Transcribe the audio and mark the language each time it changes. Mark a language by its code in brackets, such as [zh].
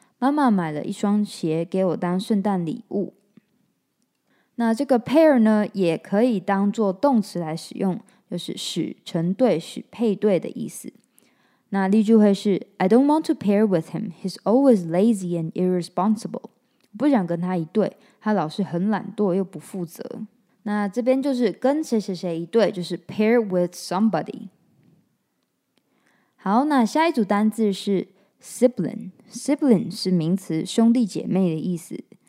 [zh] 妈妈买了一双鞋给我当圣诞礼物。那这个 pair 呢，也可以当作动词来使用，就是使成对、使配对的意思。那例句会是 [en] I don't want to pair with him. He's always lazy and irresponsible. [zh] 不想跟他一对，他老是很懒惰又不负责。那这边就是跟谁谁谁一对，就是 [en] pair with somebody. [zh] 好，那下一组单字是Sibling. Sibling 是名词，兄弟姐妹的意思。